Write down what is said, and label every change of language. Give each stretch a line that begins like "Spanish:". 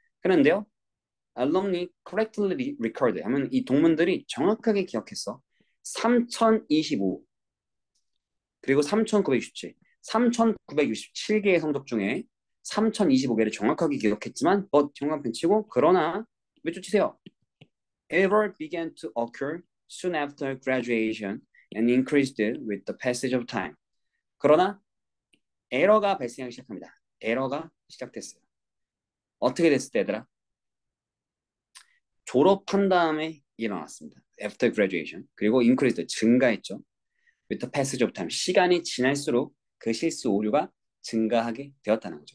Korean: 그런데요.
English: Alumni correctly recorded
Korean: 하면 이 동문들이 정확하게 기억했어. 3025 그리고 3967. 3,967개의 성적 중에 3,025개를 정확하게 기억했지만, 뭐, 정관편 치고, 그러나, 왜 쫓으세요?
English: Error began to occur soon after graduation and increased with the passage of time.
Korean: 그러나, 에러가 발생하기 시작합니다. 에러가 시작됐어요. 어떻게 됐을 때, 얘들아? 졸업한 다음에 일어났습니다.
English: After graduation. 그리고 increased,
Korean: 증가했죠.
English: With the passage of time.
Korean: 시간이 지날수록 그 실수 오류가 증가하게 되었다는 거죠.